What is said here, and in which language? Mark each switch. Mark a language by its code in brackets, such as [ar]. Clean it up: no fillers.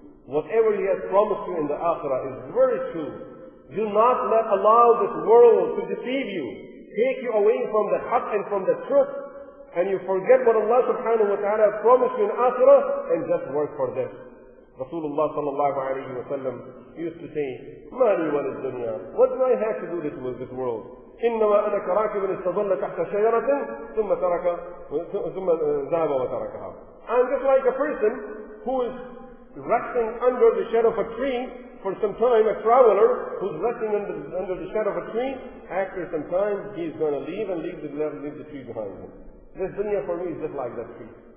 [en] Whatever He has promised you in the Akhirah is very true. Do not let allow this world to deceive you, take you away from the haq and from the truth, and you forget what Allah subhanahu wa ta'ala promised you in Akhirah, and just work for this. Rasulullah sallallahu alayhi wa sallam used to say, [ar] مَا لِي وَلِي الدُّنْيَا [en] What do I have to do with this world? [ar] إنما أنا كراكب استظل تحت شجرة ثم ترك ثم ذهب وتركها. [en] I'm just like a person who is resting under the shadow of a tree for some time, a traveler who's resting under the shadow of a tree. After some time, he's going to leave the tree behind him. This dunya for me is just like that tree.